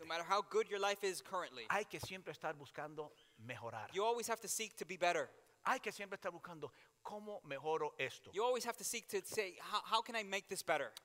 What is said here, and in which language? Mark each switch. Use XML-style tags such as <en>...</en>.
<en>No matter how good your life is currently.</en> <es>Hay que siempre estar buscando mejorar.</es> <en>You always have to seek to be better.</en> <es>Hay que siempre estar buscando cómo mejoro esto.</es> <en>You always have to seek to say, how can I make this better?</en>